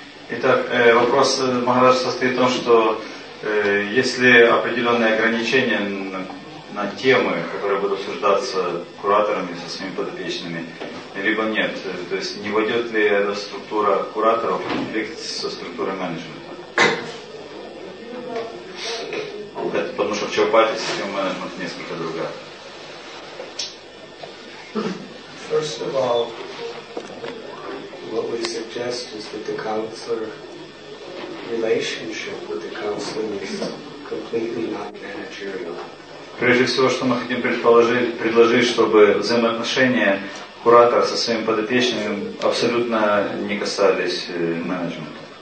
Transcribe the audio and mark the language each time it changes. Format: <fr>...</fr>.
<ru>Итак, вопрос Махарадж состоит в том, что если определенные ограничения на темы, которые будут обсуждаться кураторами со своими подопечными, либо нет. То есть не войдет ли эта структура кураторов в конфликт со структурой менеджмента? Это потому что в Чхапати система менеджмента несколько другая.</ru> <en>First of all, what we suggest is that the counselor relationship with the counselor is completely non-managerial.</en> <ru>Прежде всего, что мы хотим предложить, чтобы взаимоотношения куратора со своим подопечным абсолютно не касались менеджмента.</ru>